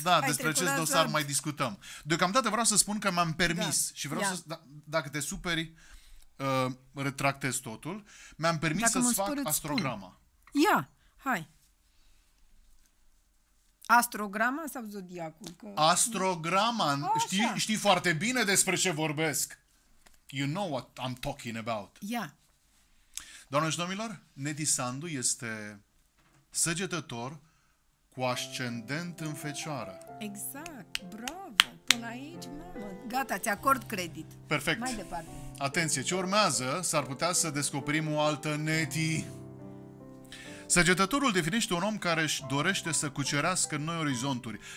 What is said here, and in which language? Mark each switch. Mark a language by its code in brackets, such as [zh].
[ro] Da, despre acest dosar mai discutăm. Deocamdată vreau să spun că m-am permis și vreau să, dacă te superi, retractez totul. Mi-am permis dacă să-ți fac astrograma. Ia, hai. Astrograma sau zodiacul? Astrograma. Știi foarte bine despre ce vorbesc. [en] You know what I'm talking about. [ro] Ia. [en] Yeah. [ro] Doamne și domnilor, Nedi Sandu este săgetător cu ascendent în fecioară. Exact. Bravo. Până aici, mamă. Gata, ți acord credit. Perfect. Mai departe. Atenție, ce urmează? S-ar putea să descoperim o altă Nedi. Săgetătorul definește un om care își dorește să cucerească noi orizonturi.